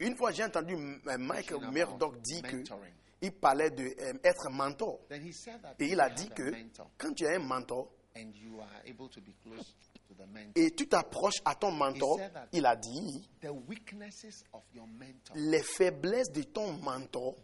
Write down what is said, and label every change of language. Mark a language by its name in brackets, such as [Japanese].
[French] Une fois, j'ai entendu Mike Murdoch dire qu'il parlait d'être mentor. [English] Then he said that. [French] Et il a dit que quand tu as un mentor, [English] and you are able to be close to the mentor, [French] et tu t'approches à ton mentor, il a dit, [English] the weaknesses of your mentor, [French] les faiblesses de ton mentor,